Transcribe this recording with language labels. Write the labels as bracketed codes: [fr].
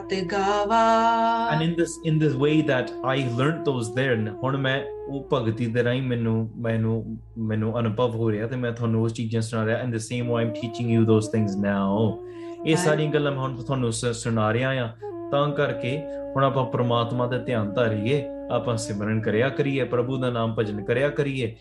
[en] And in this way that I learned those there, [pa] ਹੁਣ ਮੈਂ ਉਹ ਭਗਤੀ ਦੇ ਰਾਹੀਂ ਮੈਨੂੰ ਮੈਨੂੰ ਮੈਨੂੰ ਅਨੁਭਵ ਹੋ ਰਿਹਾ ਤੇ ਮੈਂ ਤੁਹਾਨੂੰ ਉਸ ਚੀਜ਼ਾਂ ਸੁਣਾ ਰਿਹਾ. [en] And the same way I'm teaching you those things now. [pa] ਇਹ ਸਾਰੀਆਂ ਗੱਲਾਂ ਮੈਂ ਹੁਣ ਤੁਹਾਨੂੰ ਸੁਣਾ ਰਿਹਾ ਆ ਤਾਂ ਕਰਕੇ ਹੁਣ ਆਪਾਂ ਪਰਮਾਤਮਾ ਦਾ ਧਿਆਨ ਧਾਰੀਏ, ਆਪਾਂ ਸਿਮਰਨ ਕਰਿਆ ਕਰੀਏ, ਪ੍ਰਭੂ ਦਾ ਨਾਮ ਭਜਨ ਕਰਿਆ ਕਰੀਏ.